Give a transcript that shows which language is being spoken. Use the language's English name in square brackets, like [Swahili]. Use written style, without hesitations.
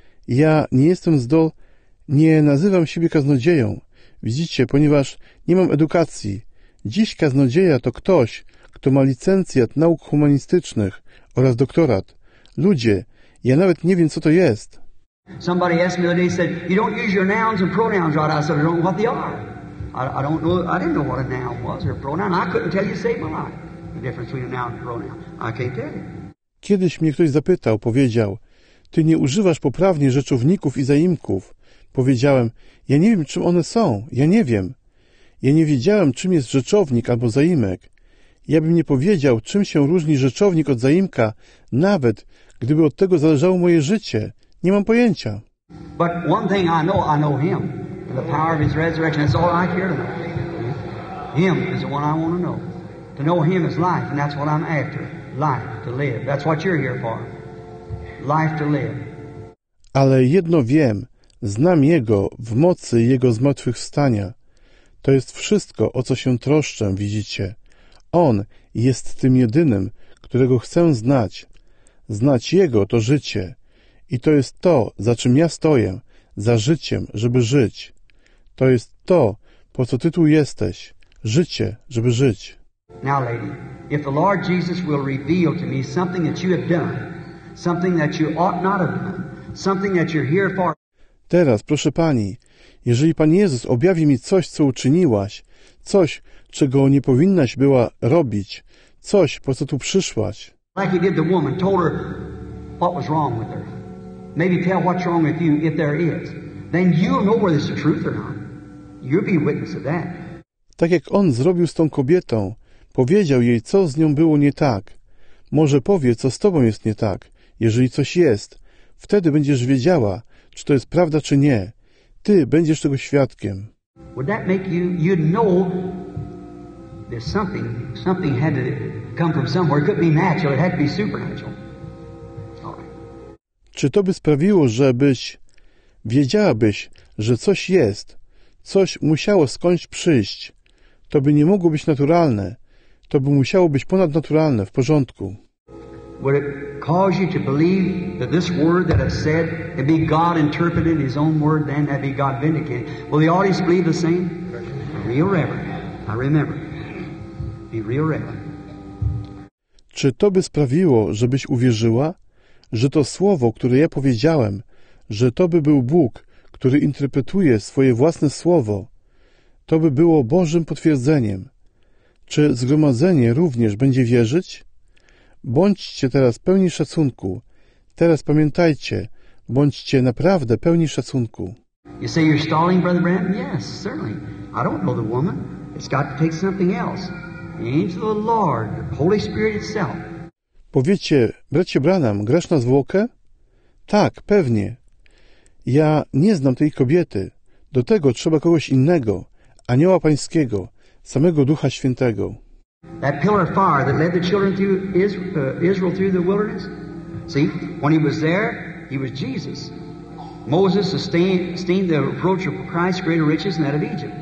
[Polish] Ja nie jestem nie nazywam siebie kaznodzieją. Widzicie, ponieważ nie mam edukacji. Dziś kaznodzieja to ktoś, kto ma licencjat nauk humanistycznych oraz doktorat. Ludzie, ja nawet nie wiem, co to jest. [English] Somebody asked me the other day, said, you don't use your nouns and pronouns right. I said, I don't know what they are. I don't know, I didn't know what a noun was or a pronoun. I couldn't tell you to save my life. The difference between a noun and a pronoun. I can't tell you. [Polish] Kiedyś mnie ktoś zapytał, powiedział, ty nie używasz poprawnie rzeczowników i zaimków. Powiedziałem, ja nie wiem, czym one są. Ja nie wiem. Ja nie wiedziałem, czym jest rzeczownik albo zaimek. Ja bym nie powiedział, czym się różni rzeczownik od zaimka, nawet gdyby od tego zależało moje życie. Nie mam pojęcia. [English] But one thing I know him. And the power of his resurrection, that's all I care to know. Him is the one I want to know. To know him is life, and that's what I'm after. Life, to live. That's what you're here for. Life to live. [Polish] Ale jedno wiem, znam Jego w mocy Jego zmartwychwstania. To jest wszystko, o co się troszczę, widzicie. On jest tym jedynym, którego chcę znać. Znać Jego to życie. I to jest to, za czym ja stoję, za życiem, żeby żyć. To jest to, po co ty tu jesteś, życie, żeby żyć. [English] Now, lady, if the Lord Jesus will reveal to me something that you have done, something that you ought not have done, something that you're here for. [Polish] Teraz, proszę pani, jeżeli Pan Jezus objawi mi coś, co uczyniłaś, coś, czego nie powinnaś była robić, coś, po co tu przyszłaś. [English] Like he did the woman, told her what was wrong with her. Maybe tell what's wrong with you, if there is. Then you'll know whether it's the truth or not. You'll be witness of that. [Polish] Tak jak on zrobił z tą kobietą, powiedział jej, co z nią było nie tak. Może powie, co z tobą jest nie tak. Jeżeli coś jest, wtedy będziesz wiedziała, czy to jest prawda, czy nie. Ty będziesz tego świadkiem. [English] Would that make you, you'd know there's something, something had to come from somewhere. It could be natural, it had to be supernatural. [Polish] Czy to by sprawiło, żebyś wiedziałabyś, że coś jest, coś musiało skądś przyjść? To by nie mogło być naturalne. To by musiało być ponadnaturalne, w porządku. [English] Would it cause you to believe that this word that I said, it be God interpreted his own word, then that be God vindicated? Will the audience believe the same? Real reverend. I remember. Be real reverend. [Polish] Czy to by sprawiło, żebyś uwierzyła, że to słowo, które ja powiedziałem, że to by był Bóg, który interpretuje swoje własne słowo, to by było Bożym potwierdzeniem. Czy zgromadzenie również będzie wierzyć? Bądźcie teraz pełni szacunku. Teraz pamiętajcie, bądźcie naprawdę pełni szacunku. [English] You say you're stalling, Brother Branham? Yes, certainly. I don't know the woman. It's got to take something else. The angel of the Lord, the Holy Spirit itself. [Polish] Powiecie, bracie Branham, grasz na zwłokę? Tak, pewnie. Ja nie znam tej kobiety. Do tego trzeba kogoś innego, anioła pańskiego, samego Ducha Świętego. [English] That pillar of fire that led the children through Israel through the wilderness. See, when he was there, he was Jesus. Moses esteemed the approach of Christ greater riches than that of Egypt.